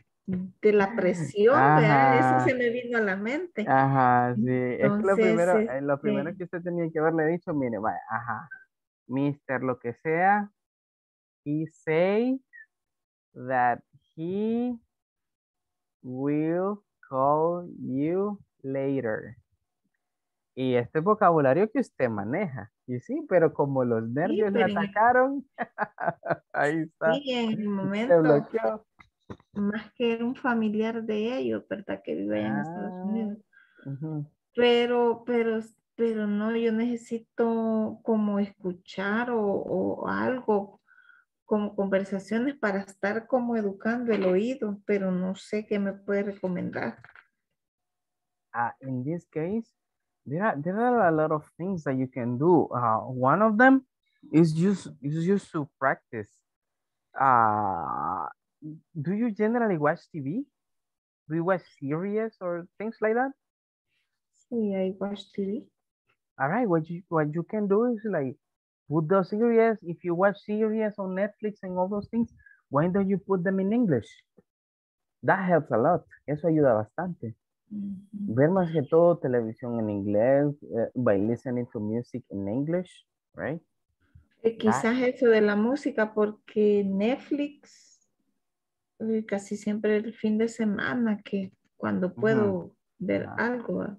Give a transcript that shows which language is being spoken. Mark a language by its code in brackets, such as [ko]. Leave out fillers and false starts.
[es] de la presión, ajá, eso se me vino a la mente. Ajá, sí. Entonces, es lo primero, es lo primero que usted tenía que haberle dicho, mire, vaya, ajá. [en] Mister [es] lo que sea, [en] he say that he will call you later. [es] Y este vocabulario que usted maneja. Y sí, pero como los nervios le atacaron, ahí está. Sí, en el momento. Se bloqueó. Más que era un familiar de ellos, ¿verdad? Que vive allá en Estados Unidos. Pero no, yo necesito como escuchar o algo, como conversaciones para estar como educando el oído, pero no sé qué me puede recomendar. [en] In this case, there are a lot of things that you can do. One of them is just to practice. Do you generally watch TV? Do you watch series or things like that? Yeah, I watch TV. All right, what you can do is like put the series, if you watch series on Netflix and all those things, why don't you put them in English? That helps a lot. [es] Eso ayuda bastante. [en] Mm-hmm. [es] Ver más que todo televisión en inglés, [en] by listening to music in English, right? [es] Quizás eso de la música, porque Netflix, casi siempre el fin de semana, que cuando puedo ver algo.